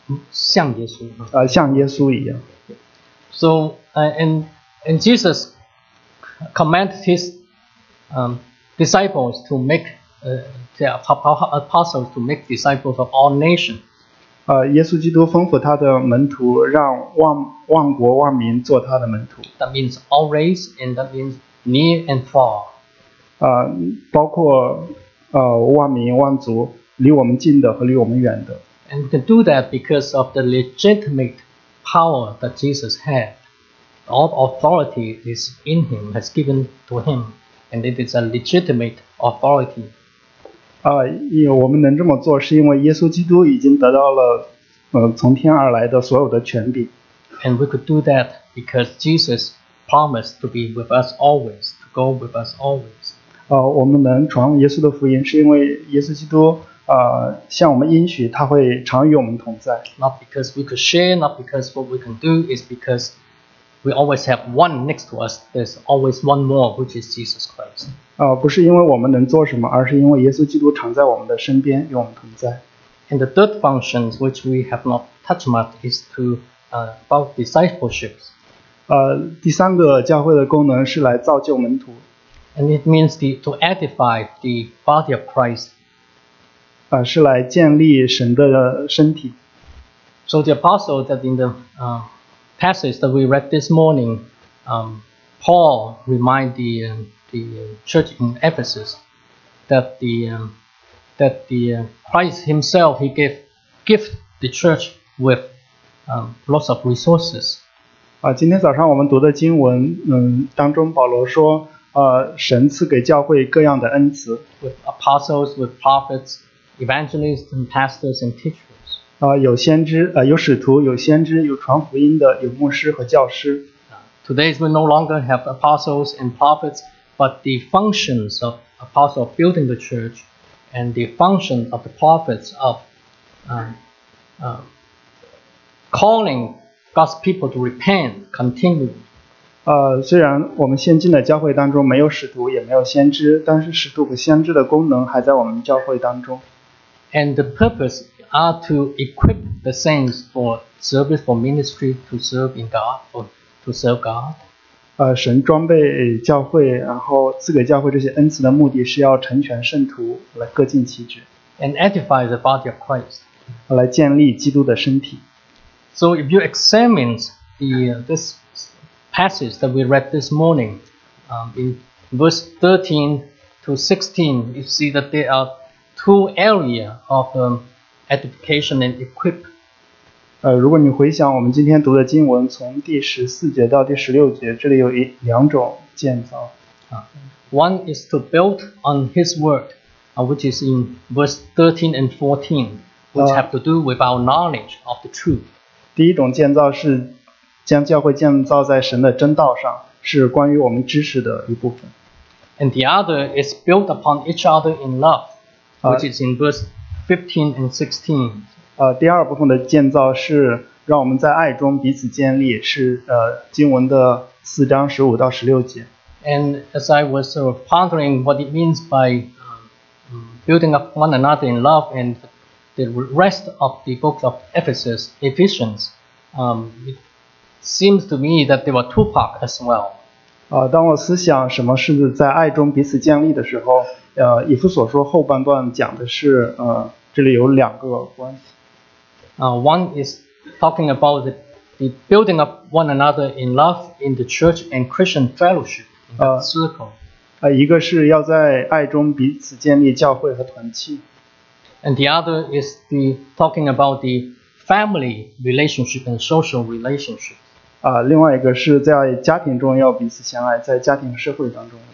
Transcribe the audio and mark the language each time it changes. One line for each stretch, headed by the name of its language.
Chinese: 像耶稣一样。
English: So and Jesus commanded his disciples to make apostles to make disciples of all nations.
Chinese: 耶稣基督吩咐他的门徒，让万国万民做他的门徒。
English: That means all race, and that means near and far.
Chinese: 包括万民万族，离我们近的和离我们远的。
English: And we can do that because of the legitimate power that Jesus had. All authority is in Him, has given to Him. and it is a legitimate authority.
Chinese: 我们能这么做是因为耶稣基督已经得到了从天而来的所有的权柄。
English: And we could do that because Jesus promised to be with us always, to go with us always.
Chinese: 我们能传耶稣的福音是因为耶稣基督向我们应许他会常与我们同在。
English: Not because we could share, not because what we can do, it's because we always have one next to us, there's always one more, which is Jesus Christ.
Chinese: 不是因为我们能做什么，而是因为耶稣基督常在我们的身边，与我们同在。
English: And the third function, which we have not touched much, is to about discipleship.
Chinese: 第三个教会的功能是来造就门徒。
English: And it means to edify the body of Christ.
Chinese: 是来建立神的身体。
English: So the apostle that in the passage that we read this morning, Paul remind the church in Ephesus that Christ himself, he gave the church with lots of resources.
Chinese: 今天早上我们读的经文当中保罗说神赐给教会各样的恩赐。
English: With apostles, with prophets, evangelists, and pastors, and teachers.
Chinese: 有先知有使徒有先知有传福音的有牧师和教师。
English: Today we no longer have apostles and prophets, but the functions of apostles building the church and the function of the prophets of calling God's people to repent continually.
Chinese: 虽然我们现今的教会当中没有使徒也没有先知，但是使徒和先知的功能还在我们教会当中。
English: And the purpose are to equip the saints for service, for ministry, to serve in God, or to serve God.
Chinese: 神装备教会，然后赐给教会这些恩赐的目的是要成全圣徒，来各尽其职。
English: And edify the body of Christ.
Chinese: 来建立基督的身体。
English: So if you examine this passage that we read this morning, in verse 13 to 16, you see that there are two areas of edification and equip.
Chinese: 如果你回想我们今天读的经文，从第十四节到第十六节，这里有两种建造。
English: One is to build on His word, which is in verse 13 and 14, which have to do with our knowledge of the truth.
Chinese: 第一种建造是将教会建造在神的真道上，是关于我们知识的一部分。
English: And the other is built upon each other in love, which is in verse 15 and 16.
Chinese: 第二部分的建造是让我们在爱中彼此建立，是经文的四章十五到十六节。
English: And as I was sort of pondering what it means by building up one another in love and the rest of the book of Ephesus, Ephesians, it seems to me that there were two parts as well.
Chinese: 当我思想什么是在爱中彼此建立的时候，以弗所说后半段讲的是这里有两个关系。
English: One is talking about the building up one another in love in the church and Christian fellowship in the circle.
Chinese: 一个是要在爱中彼此建立教会和团契。
English: And the other is talking about the family relationship and social relationship.
Chinese: 另外一个是在家庭中要彼此相爱，在家庭社会当中。